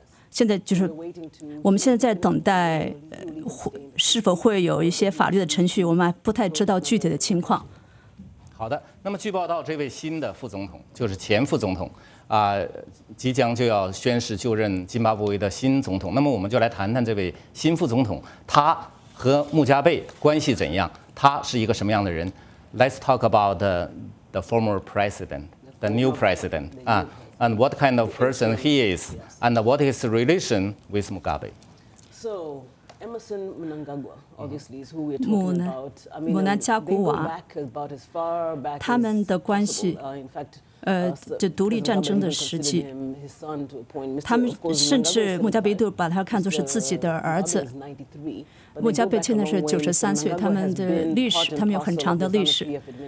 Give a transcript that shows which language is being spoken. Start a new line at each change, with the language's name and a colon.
Chinese: 现在就是我们现在在等待，是否会有一些法律的程序，我们还不太知道具体的情况。好的，那么据报道，这位新的副总统就是前副总统即将就要宣誓就任津巴布韦的新总统。那么我们就来谈谈这位新副总统，他和穆加贝关系怎样，他是一个什么样的人。
English: Let's talk about the former president, the new president, and what kind of person he is, and what his relation with Mugabe. So Emmerson Mnangagwa, obviously, is who we're talking about. I mean,
Chinese: 穆南加古瓦，他们的关系，就独立战争的时期，他们甚至穆加贝都把他看作是自己的儿子。穆加贝现在是93岁，他们的历史，他们有很长的历史。